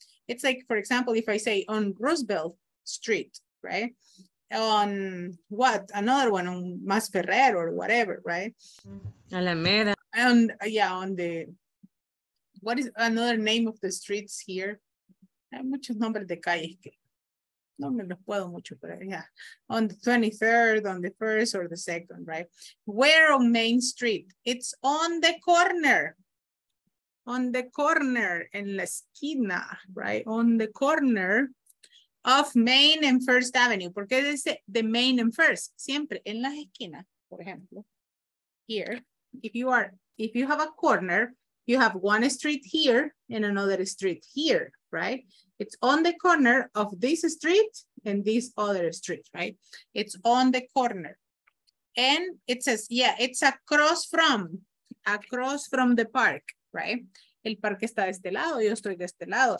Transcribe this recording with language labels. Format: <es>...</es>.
<en>It's like, for example, if I say on Roosevelt Street, right? On what? Another one, on Mas Ferrer or whatever, right? Alameda. And yeah, on the, what is another name of the streets here?</en> <es>Hay muchos nombres de calles que no me los puedo mucho, pero yeah.</es> <en>On the 23rd, on the 1st or the 2nd, right? Where on Main Street? It's on the corner. On the corner,</en> <es>en la esquina,</es> <en>right? On the corner of Main and First Avenue.</en> <es>¿Por qué dice</es> <en>the Main and First?</en> <es>Siempre en las esquinas, por ejemplo.</es> <en>Here, if you have a corner, you have one street here and another street here, right? It's on the corner of this street and this other street, right? It's on the corner. And it says, yeah, it's across from the park. Right?</en> <es>El parque está de este lado, yo estoy de este lado.</es>